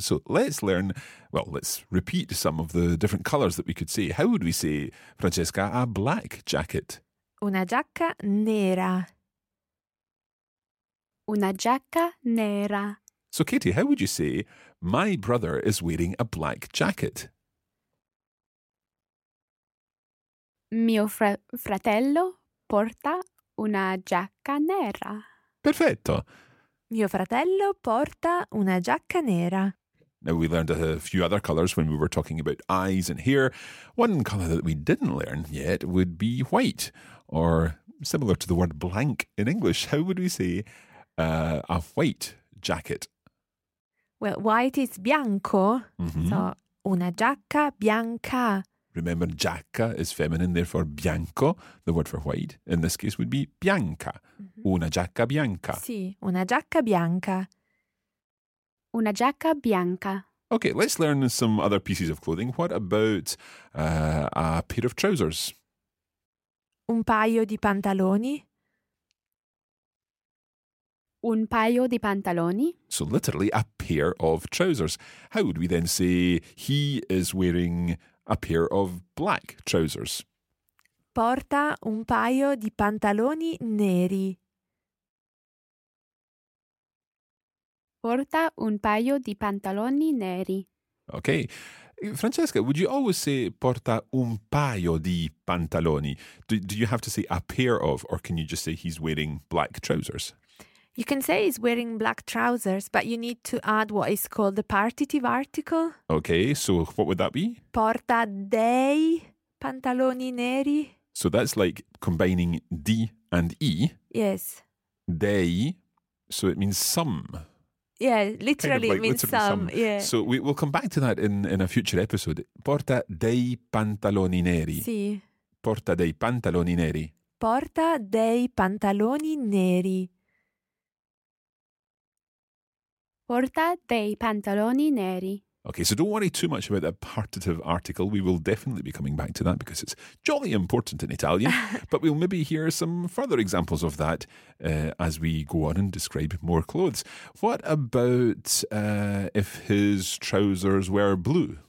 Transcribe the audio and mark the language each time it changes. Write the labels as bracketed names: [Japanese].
[English] So let's learn, well, let's repeat some of the different colours that we could say. How would we say, Francesca, a black jacket? [Italian] Una giacca nera. Una giacca nera. [English] So, Katie, how would you say, my brother is wearing a black jacket? [Italian] Mio fratello porta una giacca nera. Perfetto. Mio fratello porta una giacca nera. [English] Now we learned a few other colors when we were talking about eyes and hair. One color that we didn't learn yet would be white, or similar to the word blank in English. How would we say a white jacket? Well, white is bianco, mm-hmm. [Italian] So una giacca bianca. [English] Remember, giacca is feminine, therefore bianco, the word for white, in this case would be bianca, mm-hmm. [Italian] Una giacca bianca. Sì, una giacca bianca. Una giacca bianca. [English] Okay, let's learn some other pieces of clothing. What about a pair of trousers? [Italian] Un paio di pantaloni. Un paio di pantaloni. [English] So literally, a pair of trousers. How would we then say he is wearing a pair of black trousers? [Italian] Porta un paio di pantaloni neri. Porta un paio di pantaloni neri. [English] Okay. Francesca, would you always say [Italian] porta un paio di pantaloni? [English] Do you have to say a pair of, or can you just say he's wearing black trousers? You can say he's wearing black trousers, but you need to add what is called the partitive article. Okay, so what would that be? [Italian] Porta dei pantaloni neri. [English] So that's like combining D and E. Yes. Dei, so it means some. Yeah, literally kind of like it means some. Yeah. So we'll come back to that in a future episode. [Italian] Porta dei pantaloni neri. Sì. Porta dei pantaloni neri. Porta dei pantaloni neri. Porta dei pantaloni neri. [English] Okay, so don't worry too much about that partitive article. We will definitely be coming back to that because it's jolly important in Italian. But we'll maybe hear some further examples of that as we go on and describe more clothes. What about if his trousers were blue?